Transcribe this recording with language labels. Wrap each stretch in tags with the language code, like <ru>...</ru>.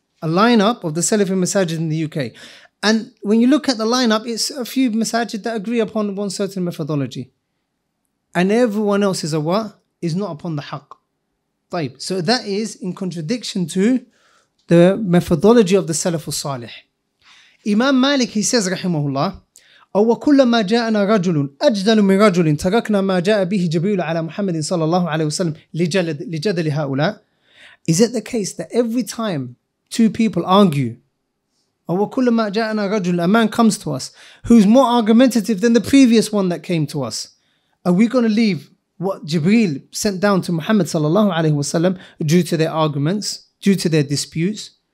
<en>A lineup of the Salafi massages in the UK. And when you look at the lineup, it's a few masajid that agree upon one certain methodology. And everyone else is a what? Is not upon the haqq. طيب. So that is in contradiction to the methodology of the Salaf al-Salih. Imam Malik, he says, rahimahullah,</en> <ar>أَوَّكُلَّمَا جَاءَنَا رَجُلٌ أَجْدَلُ مِنْ رَجُلٍ تَرَكْنَا مَا جَاءَ بِهِ جَبْرِيلُ عَلَى مُحَمَّدٍ صَلَى اللَّهُ عَلَيْهُ وَسَلَّمْ لِجَدَلِ هَؤُلَاء.</ar> <en>Is it the case that every time two people argue,</en> <ar>وَكُلَّمَا جَاءَنَا رَجُلٌ,</ar> <en>a man comes to us who's more argumentative than the previous one that came to us, are we going to leave what Jibreel sent down to Muhammad sallallahu alayhi wa sallam due to their arguments, due to their disputes?</en>